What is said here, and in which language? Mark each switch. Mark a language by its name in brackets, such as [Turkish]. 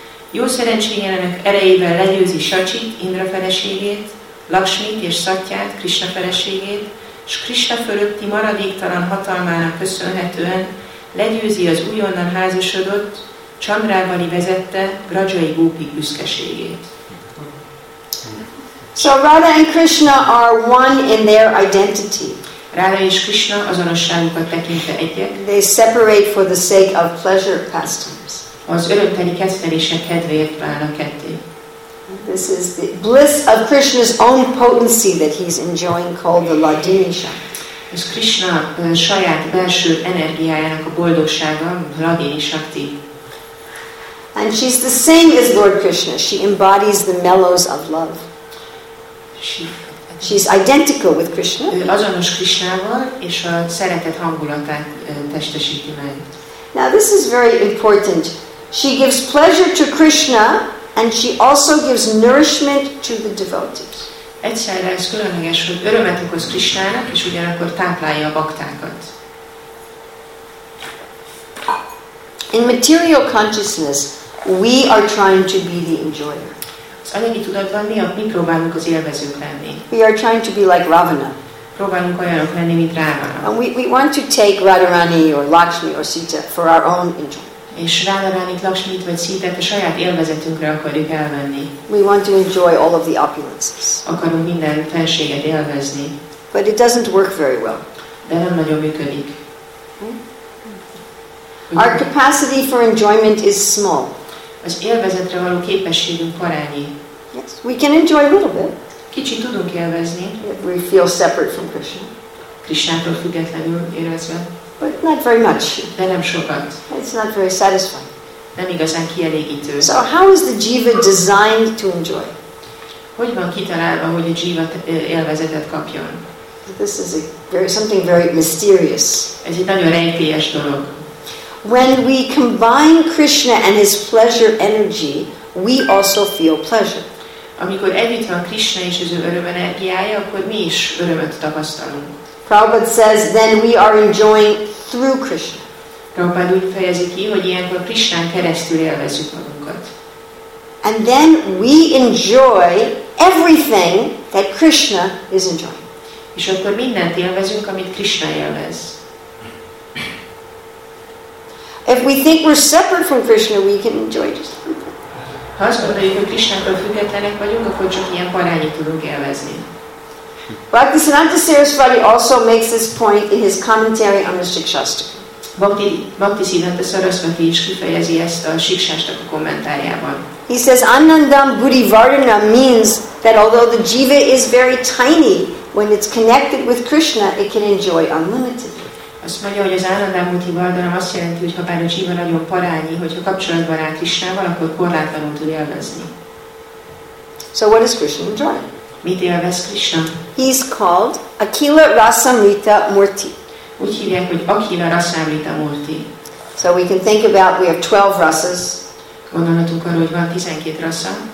[Hungarian] Jó szerencséjének erejével legyőzi Sacsit, Indra feleségét, Lakshmit és Szatját, Krishna feleségét, s Krishna fölötti maradéktalan hatalmának köszönhetően legyőzi az újonnan házasodott, Csandrávali vezette Grajai Gópi büszkeségét. [English] So Radha and Krishna are one in their identity. [Hungarian] Radha és Krishna azonosságukat tekintve egyek. [English] They separate for the sake of pleasure pastimes. [Hungarian] Az örömteli kedvelések kedvéért válnak ketté. [English] This is the bliss of Krishna's own potency that he's enjoying called the Ladinisha. [Hungarian] Ez Krishna saját belső energiájának a boldogsága, Ladini Shakti. [English] And she's the same as Lord Krishna. She embodies the mellows of love. She's identical with Krishna. [Hungarian] Azonos Krishnával és a szeretet hangulatát testesíti meg. [English] Now this is very important. She gives pleasure to Krishna and she also gives nourishment to the devotees. [Hungarian] Egyszerre ez különleges, hogy örömet okoz Krishnának és ugyanakkor táplálja a baktákat. [English] In material consciousness, we are trying to be the enjoyer. [Hungarian] Az anyagi tudatban mi próbálunk az élvezők lenni. [English] We are trying to be like Ravana. [Hungarian] Próbálunk olyanok lenni, mint Ravana. [English] And we want to take Radharani or Lakshmi or Sita for our own enjoyment. [Hungarian] És Radharanit, Lakshmit vagy Sitát a saját élvezetünkre akarjuk elvenni. [English] We want to enjoy all of the opulences. [Hungarian] Akarunk minden fenséget élvezni. [English] But it doesn't work very well. [Hungarian] De nem nagyon működik. [English] Our capacity for enjoyment is small. [Hungarian] Az élvezetre való képességünk karányi. [English] Yes, we can enjoy a little bit. [Hungarian] Kicsit tudunk élvezni. [English] We feel separate from Krishna. [Hungarian] Krishnától függetlenül érezve. [English] But not very much. [Hungarian] De nem sokat. [English] It's not very satisfying. [Hungarian] Nem igazán kielégítő. [English] So how is the jiva designed to enjoy? [Hungarian] Hogy van kitalálva, hogy a jiva élvezetet kapjon? [English] This is a very, something very mysterious. [Hungarian] Ez egy nagyon rejtélyes dolog. [English] When we combine Krishna and his pleasure energy, we also feel pleasure. [Hungarian] Amikor együtt van Krishna és az ő öröm energiája, akkor mi is örömet tapasztalunk. [English] Prabhupada says, then we are enjoying through Krishna. [Hungarian] Prabhupada úgy fejezi ki, hogy ilyenkor Krishnán keresztül élvezzük magunkat. [English] And then we enjoy everything that Krishna is enjoying. [Hungarian] És akkor mindent élvezünk, amit Krishna élvez. [English] If we think we're separate from Krishna, we can enjoy just everything. [Hungarian] Ha azt gondoljuk, hogy Krishnától függetlenek vagyunk, akkor csak ilyen parányit tudunk élvezni. [English] Bhaktisiddhanta Sarasvati also makes this point in his commentary on the Shikshastra. [Hungarian] Bhaktisiddhanta Sarasvati is kifejezi ezt a Shikshastra kommentárjában. [English] He says, Anandam Buddhivardhana means that although the jiva is very tiny, when it's connected with Krishna, it can enjoy unlimited. [Hungarian] Azt mondja, hogy az Anandam Buddhivardhana azt jelenti, hogy ha bár a jiva nagyon parányi, hogyha kapcsolatban áll Krishnával, akkor korlátlanul tud élvezni. [English] So what is Krishna enjoying? [Hungarian] Mit élvez Krishna? [English] He's called Akila Rasamrita Murti. [Hungarian] Úgy hívják, hogy Akila Rasamrita Murti. [English] So we can think about we have 12 rasas. [Hungarian] Gondolhatunk arra, hogy van 12 rasa.